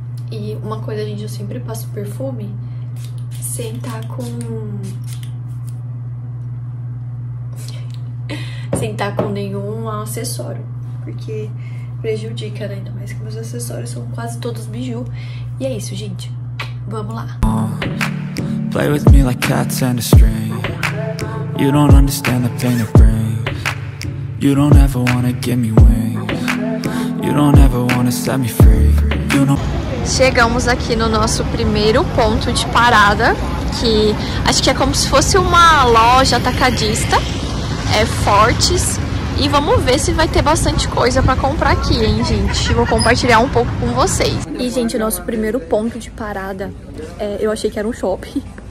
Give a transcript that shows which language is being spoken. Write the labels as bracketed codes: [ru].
[pt] E uma coisa, gente, eu sempre passo perfume sem estar com. Sem estar com nenhum acessório. Porque prejudica, né? Ainda mais que meus acessórios são quase todos biju. E é isso, gente. Vamos lá. [en] Play with me like cats and a string. You don't understand the pain it brings. You don't ever wanna give me wings. You don't ever wanna set me free. You know. [pt] Chegamos aqui no nosso primeiro ponto de parada, que acho que é como se fosse uma loja atacadista, é Fortes, e vamos ver se vai ter bastante coisa para comprar aqui, hein, gente? Vou compartilhar um pouco com vocês. E, gente, nosso primeiro ponto de parada, eu achei que era um shopping.